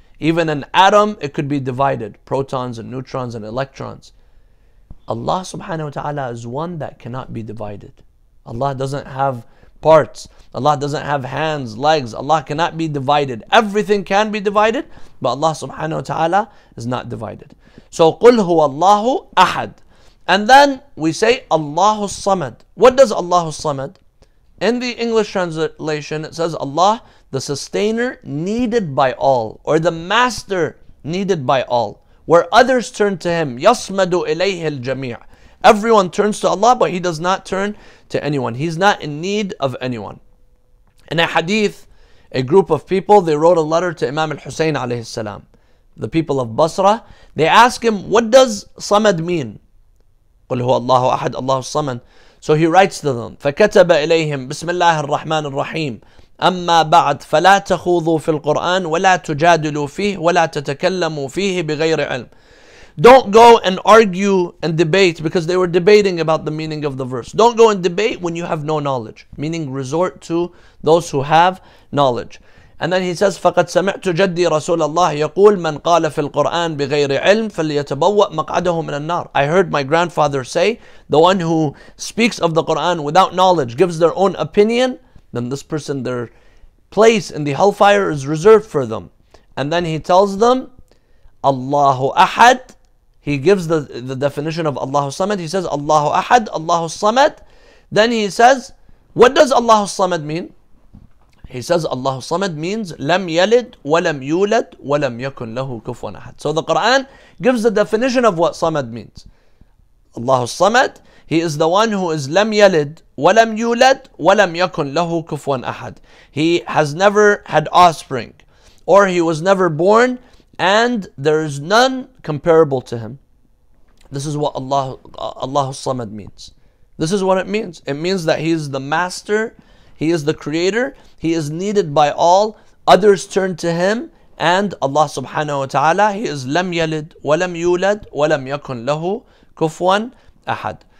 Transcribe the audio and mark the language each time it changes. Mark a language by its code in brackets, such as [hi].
[en] Even an atom, it could be divided. Protons and neutrons and electrons. Allah subhanahu wa ta'ala is one that cannot be divided. Allah doesn't have parts. Allah doesn't have hands, legs. Allah cannot be divided. Everything can be divided, but Allah subhanahu wa ta'ala is not divided. So [ar] قُلْ هُوَ اللَّهُ أَحَدْ. [en] And then we say Allahu Samad. What does Allahu Samad? In the English translation, it says Allah, the sustainer needed by all, or the master needed by all, where others turn to him. [ar] يَصْمَدُ إِلَيْهِ الْجَمِيعِ. [en] Everyone turns to Allah, but he does not turn to anyone. He's not in need of anyone. In a hadith, a group of people, they wrote a letter to Imam al-Husayn alayhi salam, the people of Basra. They ask him, what does Samad mean? [ar] قُلْ هُوَ اللَّهُ أَحَدْ اللَّهُ الصَّمَدُ. [en] So he writes to them, [ar] فَكَتَبَ إِلَيْهِمْ بِسْمِ اللَّهِ الرَّحْمَنِ الرَّحِيمِ أَمَّا بَعْدْ فَلَا تَخُوضُوا فِي الْقُرْآنِ وَلَا تُجَادِلُوا فِيهِ وَلَا تَتَكَلَّمُوا فِيهِ بِغَيْرِ عِلْمٍ. [en] Don't go and argue and debate, because they were debating about the meaning of the verse. Don't go and debate when you have no knowledge, meaning resort to those who have knowledge. And then he says, [ar] فَقَدْ سَمِعْتُ جَدِّي رَسُولَ اللَّهِ يَقُولُ مَنْ قَالَ فِي الْقُرْآنِ بِغَيْرِ عِلْمٍ فَلْيَتَبَوَّأْ مَقْعَدَهُ مِنَ النَّارِ. [en] I heard my grandfather say, the one who speaks of the Qur'an without knowledge, gives their own opinion, then this person, their place in the hellfire is reserved for them. And then he tells them, Allahu Ahad. He gives the definition of Allahu Samad. He says, Allahu Ahad, Allahu Samad. Then he says, what does Allahu Samad mean? He says Allah Samad means [ar] لم يلد ولم يولد ولم يكن له كفوا أحد. [en] So the Quran gives the definition of what Samad means. Allah Samad, he is the one who is [ar] لم يلد ولم يولد ولم يكن له كفوا أحد. [en] He has never had offspring, or he was never born, and there is none comparable to him. This is what Allah Samad means. This is what it means. It means that he is the master, he is the creator, he is needed by all, others turn to him, and Allah subhanahu wa ta'ala, he is [ar] لم يلد ولم يولد ولم يكن له كفوا أحد.